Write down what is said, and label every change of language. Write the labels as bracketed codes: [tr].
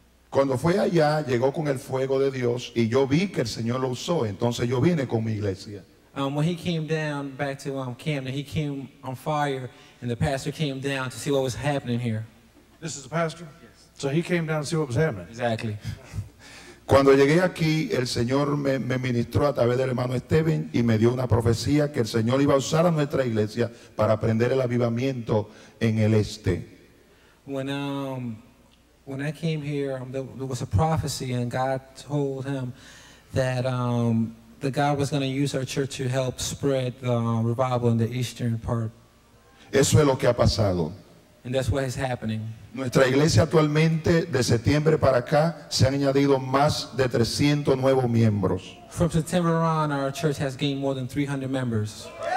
[es] Cuando fue allá, llegó con el fuego de Dios y yo vi que el Señor lo usó, entonces yo vine con mi iglesia. [en] When he came down back to Camden, he came on fire and the pastor came down to see what was happening here. This is the pastor? Yes. So he came down to see what was happening. Exactly. [es] Cuando llegué aquí, el Señor me ministró a través del hermano Esteban y me dio una profecía que el Señor iba a usar a nuestra iglesia para prender el avivamiento en el este. [en] When I came here, there was a prophecy, and God told him that the God was going to use our church to help spread the revival in the eastern part. [es] Eso es lo que ha pasado. [en] And that's what is happening. [es] Nuestra iglesia actualmente, de septiembre para acá, se han añadido más de 300 nuevos miembros. [en] From September on, our church has gained more than 300 members.